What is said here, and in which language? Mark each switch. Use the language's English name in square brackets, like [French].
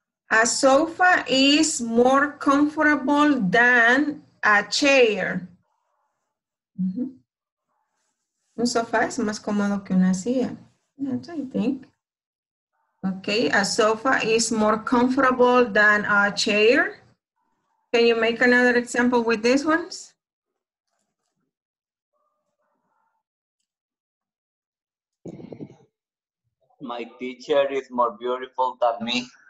[English] A sofa is more comfortable than a chair. Mm-hmm. [Spanish] Un sofá es más cómodo que una silla. [English] That's what I think. Okay, a sofa is more comfortable than a chair. Can you make another example with these ones? My teacher is more beautiful than me.